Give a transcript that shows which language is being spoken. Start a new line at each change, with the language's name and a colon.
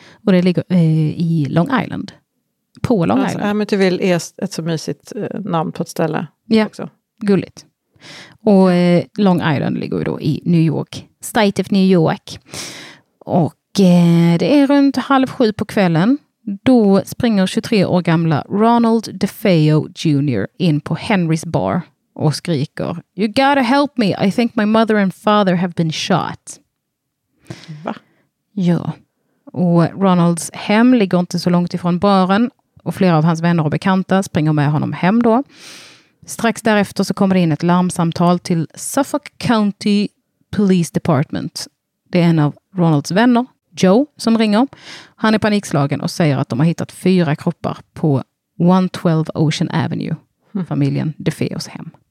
Swedish: Och det ligger i Long Island. På Long Island. Amityville är ett så mysigt namn på ett ställe. Ja, också. Gulligt. Och Long Island ligger ju då i New York. State of New York. Och det är runt 6:30 på kvällen. Då springer 23 år gamla Ronald DeFeo Jr. in på Henry's bar och skriker,
English: "You gotta help me, I think my mother and father have been shot."
Swedish: Va? Ja. Och Ronalds hem ligger inte så långt ifrån baren och flera av hans vänner och bekanta springer med honom hem då. Strax därefter så kommer det in ett larmsamtal till Suffolk County Police Department. Det är en av Ronalds vänner, Joe, som ringer. Han är panikslagen och säger att de har hittat 4 kroppar på 112 Ocean Avenue, familjen DeFeos hem.